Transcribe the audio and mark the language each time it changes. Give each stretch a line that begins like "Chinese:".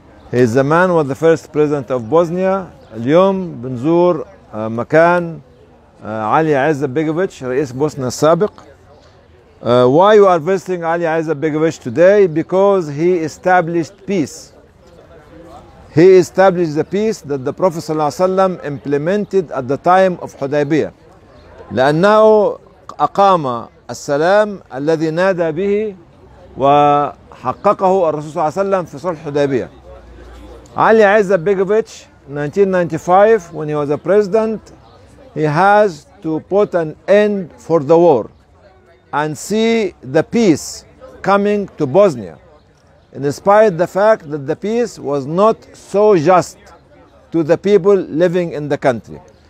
English: He is the man who was the first president of Bosnia.
Arabic: اليوم بنزور مكان Alia Izetbegović, رئيس بوسنا السابق.
English: Why we are visiting Alia Izetbegović today? Because he established peace. He established the peace that the Prophet
Arabic: صلى الله عليه وسلم
English: implemented at the time of Hudaybiyah.
Arabic: لأنه أقام السلام الذي نادى به وحققه الرسول صلى الله عليه وسلم في صلح Hudaybiyah.
English: Alia Izetbegović, 1995, when he was a president, he has to put an end for the war and see the peace coming to Bosnia. In spite of the fact that the peace was not so just to the people living in the country.